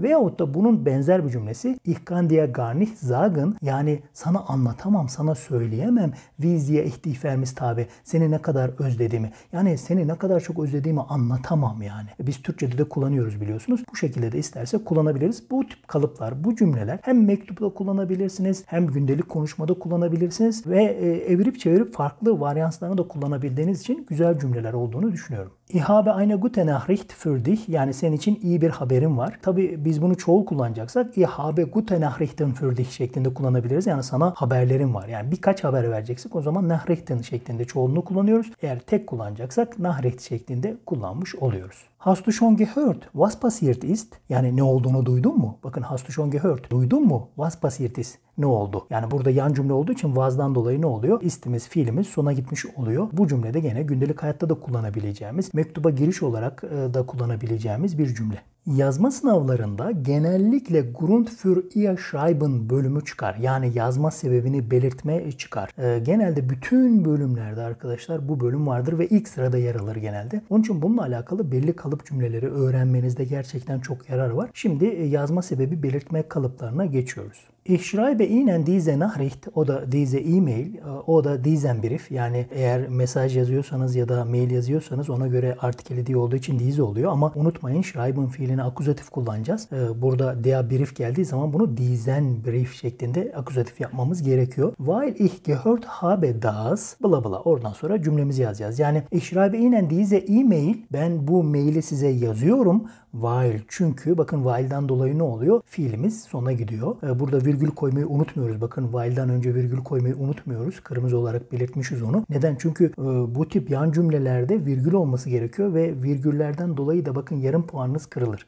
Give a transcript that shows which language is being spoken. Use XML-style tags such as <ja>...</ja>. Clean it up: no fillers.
<tr>Veyahut da bunun benzer bir cümlesi</tr> <de>Ich kann dir gar nicht sagen,</de> <tr>yani sana anlatamam, sana söyleyemem</tr> <de>wie sie dich vermisst habe,</de> <tr>seni ne kadar özlediğimi, yani seni ne kadar çok özlediğimi anlatamam yani. Biz Türkçe'de de kullanıyoruz biliyorsunuz. Bu şekilde de isterse kullanabiliriz. Bu tip kalıplar, bu cümleler hem mektupta kullanabilirsiniz, hem gündelik konuşmada kullanabilirsiniz ve evirip çevirip farklı varyanslarını da kullanabildiğiniz için güzel cümleler olduğunu düşünüyorum.</tr> <de>Ich habe eine gute Nachricht für dich.</de> <tr>Yani senin için iyi bir haberim var. Tabii biz bunu çoğul kullanacaksak</tr> <de>Ich habe gute Nachrichten für dich</de> <tr>şeklinde kullanabiliriz. Yani sana haberlerim var. Yani birkaç haber vereceksek o zaman Nachrichten şeklinde çoğulunu kullanıyoruz. Eğer tek kullanacaksak Nachricht şeklinde kullanmış oluyoruz.</tr> <de>Hast du schon gehört, was passiert ist?</de> <tr>Yani ne olduğunu duydun mu? Bakın</tr> <de>hast du schon gehört,</de> <tr>duydun mu?</tr> <de>Was passiert ist?</de> <tr>Ne oldu? Yani burada yan cümle olduğu için was'dan dolayı ne oluyor? İstimiz, fiilimiz sona gitmiş oluyor. Bu cümlede gene gündelik hayatta da kullanabileceğimiz, mektuba giriş olarak da kullanabileceğimiz bir cümle. Yazma sınavlarında genellikle</tr> <de>Grund für ihr Schreiben</de> <tr>bölümü çıkar. Yani yazma sebebini belirtme çıkar. Genelde bütün bölümlerde arkadaşlar bu bölüm vardır ve ilk sırada yer alır genelde. Onun için bununla alakalı belli kalıp cümleleri öğrenmenizde gerçekten çok yarar var. Şimdi yazma sebebi belirtme kalıplarına geçiyoruz.</tr> <de>Ich schreibe Ihnen diese Nachricht oder diese E-Mail oder diesen Brief.</de> <tr>Yani eğer mesaj yazıyorsanız ya da mail yazıyorsanız ona göre artikeli diye olduğu için diese oluyor. Ama unutmayın schreiben fiilini akuzatif kullanacağız. Burada der Brief geldiği zaman bunu</tr> <de>diesen Brief</de> <tr>şeklinde akuzatif yapmamız gerekiyor.</tr> <de>Weil ich gehört habe das bla bla.</de> <tr>Oradan sonra cümlemizi yazacağız.</tr> <de>Yani ich schreibe Ihnen diese E-Mail.</de> <tr>Ben bu maili size yazıyorum. While çünkü bakın while'dan dolayı ne oluyor? Fiilimiz sona gidiyor. Burada virgül koymayı unutmuyoruz. Bakın while'dan önce virgül koymayı unutmuyoruz. Kırmızı olarak belirtmişiz onu. Neden? Çünkü bu tip yan cümlelerde virgül olması gerekiyor ve virgüllerden dolayı da bakın yarım puanınız kırılır.</tr>